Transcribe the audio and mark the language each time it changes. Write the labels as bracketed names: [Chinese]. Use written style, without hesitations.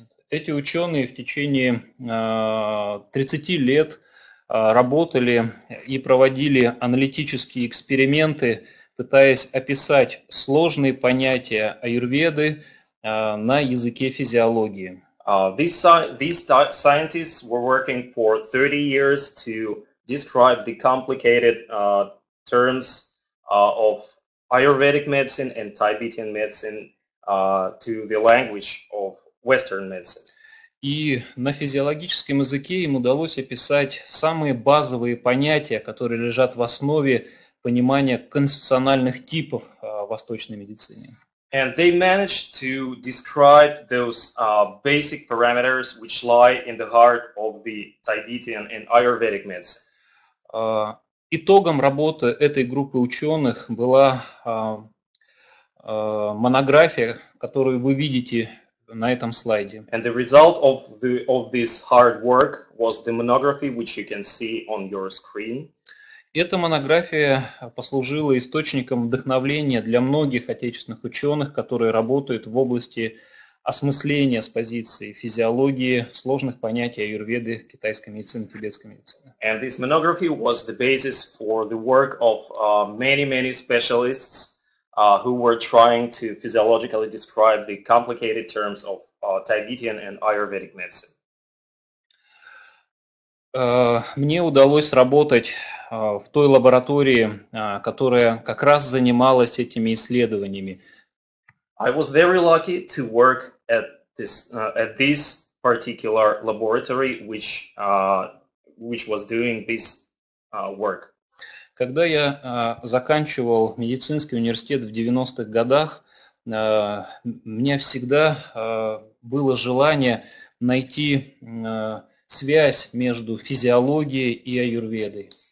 [Russian] Эти ученые в течение 30 лет работали и проводили аналитические эксперименты, пытаясь описать сложные понятия аюрведы на языке физиологии. [English] These scientists were working for 30 years to describe the complicated terms of Ayurvedic medicine and Tibetan medicine to the language of Western medicine. [Russian] И на физиологическом языке им удалось описать самые базовые понятия, которые лежат в основе понимания конституциональных типов восточной медицины. [English] And they managed to describe those basic parameters which lie in the heart of the Tibetan and Ayurvedic medicine. [Russian] Итогом работы этой группы ученых была монография, которую вы видите на этом слайде. [English] And the result of this hard work was the monography, which you can see on your screen. [Russian] Эта монография послужила источником вдохновения для многих отечественных ученых, которые работают в области осмысления с позиции физиологии сложных понятий аюрведы, китайской медицины, тибетской медицины. [English] And this monography was the basis for the work of many specialists who were trying to physiologically describe the complicated terms of Tibetan and Ayurvedic medicine. [Russian] Мне удалось работать в той лаборатории, которая как раз занималась этими исследованиями. [English] I was very lucky to work at this particular laboratory which was doing this work. [Russian] Когда я заканчивал медицинский университет в 90-х годах, у меня всегда было желание найти связь между физиологией и аюрведой.